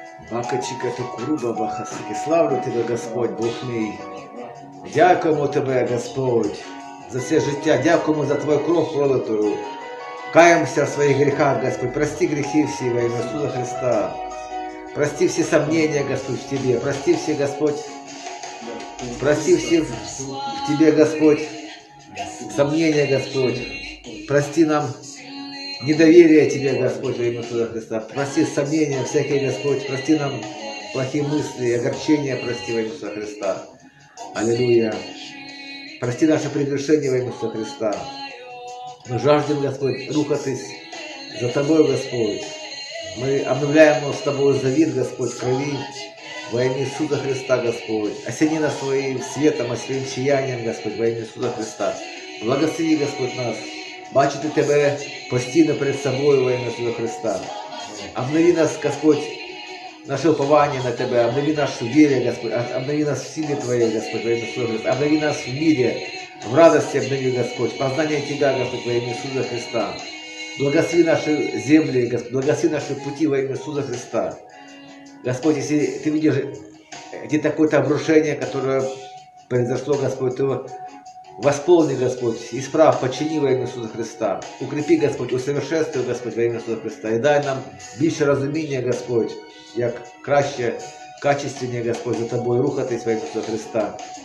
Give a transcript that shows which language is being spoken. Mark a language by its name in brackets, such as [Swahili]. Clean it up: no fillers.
[Ukrainian] Бакачика то круба бахасики. Славлю тебе, Господь, Бог мій. Дякуємо тебе, Господь, за все життя. Дякуємо за твою кров пролитую. Каємося в своїх гріхах, Господь. Прости гріхи всі во ім'я Ісуса Христа. Прости всі сомнення, Господь, в тебе. Прости всі, Господь. Прости всі в тебе, Господь. Сомнення, Господь. [Russian] Прости нам недоверие Тебе, Господь, во имя Иисуса Христа. Прости сомнения всякие, Господь. Прости нам плохие мысли, огорчения, прости во имя Иисуса Христа. Аллилуйя. Прости наше прегрешение во имя Иисуса Христа. Мы жаждем, Господь, [Ukrainian] рухатись [Russian] за Тобой, Господь. Мы обновляем с Тобой завет, Господь, крови во имя Иисуса Христа, Господь. Осени нас своим светом, своим сиянием, Господь, во имя Иисуса Христа. Благослови, Господь, нас. [Ukrainian] Бачити Тебе постійно перед собою, во ім'я Твого Христа. Обнови нас, Господь, наше уповання на Тебе, обнови нашу віру, Господь, обнови нас в силі Твоєї, Господь, во ім'я Твого Христа. Обнови нас в мірі, в радості обнови, Господь, познання Тебе, Господь, во ім'я Ісуса Христа. Благослови наші землі, Господь, благослови наші пути во ім'я Ісуса Христа. [Russian] Господь, [Ukrainian] якщо Ти видиш [Russian] где-то какое-то обрушение, которое произошло, Господь, то восполни, Господь, исправ, почини во имя Иисуса Христа. Укрепи, Господь, усовершенствуй, Господь, во имя Иисуса Христа. И дай нам больше разумения, Господь, как краще, качественнее, Господь, за Тобой [Ukrainian] рухатись [Russian] во имя Иисуса Христа.